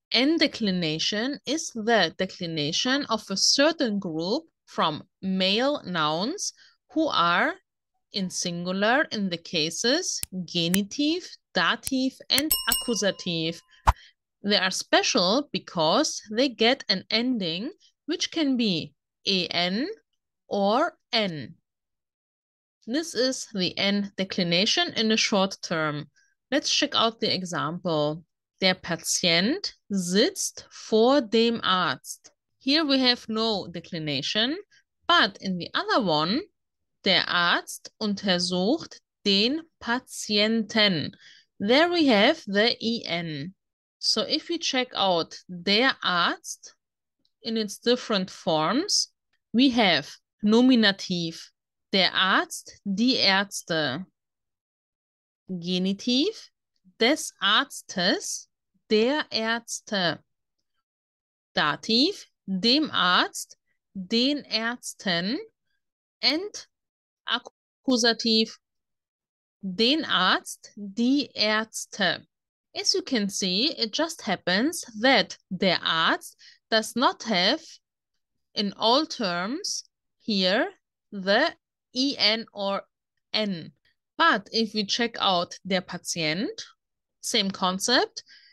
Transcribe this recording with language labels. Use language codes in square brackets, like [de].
[en] N-declination is the declination of a certain group from male nouns who are in singular in the cases genitive, dative, and accusative. They are special because they get an ending which can be an or n. This is the N-declination in a short term. Let's check out the example. [de] Der Patient sitzt vor dem Arzt. [en] Here we have no declination, but in the other one, [de] der Arzt untersucht den Patienten. [en] There we have the EN. So if we check out der Arzt in its different forms, we have nominative, [de] der Arzt, die Ärzte. Genitiv, des Arztes. Der Ärzte. Dativ, dem Arzt, den Ärzten. And Akkusativ, den Arzt, die Ärzte. [en] As you can see, it just happens that der Arzt does not have, in all terms, here the EN or N. But if we check out der Patient, same concept.